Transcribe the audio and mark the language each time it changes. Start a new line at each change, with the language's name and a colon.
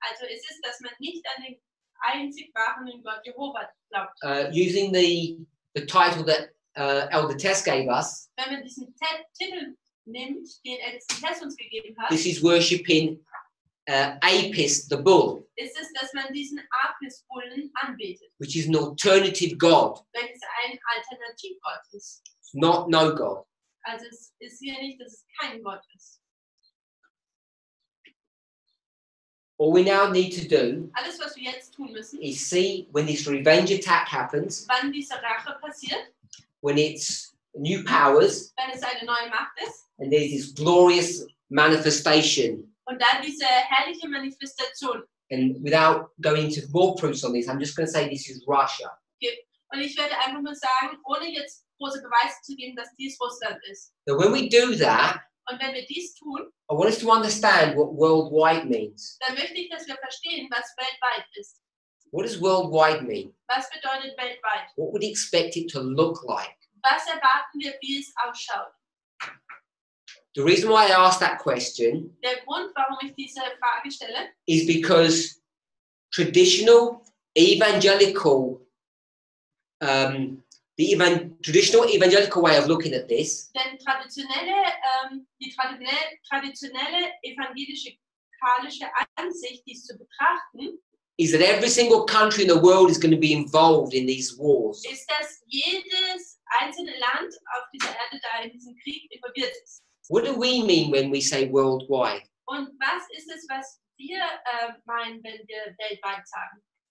German: Es ist, dass man nicht an den einzig wahren Gott Jehova glaubt.
English: Using the title that Elder Tess gave us.
German: Wenn man diesen Titel nimmt, den Elder Tess uns gegeben hat.
English: This is worshiping Apis, the bull.
German: Ist es, dass man diesen Apis-Bullen anbetet?
English: Which is an alternative God.
German: Wenn es ein Alternativgott ist.
English: Not no God.
German: Also es ist hier nicht, dass es kein Gott ist.
English: All we now need to do.
German: Alles was wir jetzt tun müssen.
English: Is see when this revenge attack happens.
German: Wann diese Rache passiert?
English: When it's new powers.
German: Wenn es eine neue Macht ist.
English: And there's this glorious manifestation.
German: Und dann diese herrliche Manifestation.
English: And without going into more proofs on this, I'm just going to say this is Russia. Okay.
German: Und ich werde einfach nur sagen, ohne jetzt große Beweise zu geben, dass dies Russland ist.
English: So when we do that,
German: und wenn wir dies tun,
English: I want us to understand what worldwide means.
German: Dann möchte ich, dass wir verstehen, was weltweit ist.
English: What does worldwide mean?
German: Was bedeutet weltweit?
English: What would you expect it to look like?
German: Was erwarten wir, wie es ausschaut?
English: The reason why I ask that question,
German: der Grund, warum ich diese Frage stelle,
English: is because traditional evangelical, traditional evangelical way of looking at this,
German: denn traditionelle evangelische katholische Ansicht, dies zu betrachten,
English: is that every single country in the world is going to be involved in these wars.
German: Ist, dass jedes einzelne Land auf dieser Erde da in diesem Krieg involviert ist.
English: What do we mean when we say worldwide?
German: Und was ist es, was wir meinen, wenn wir weltweit sagen?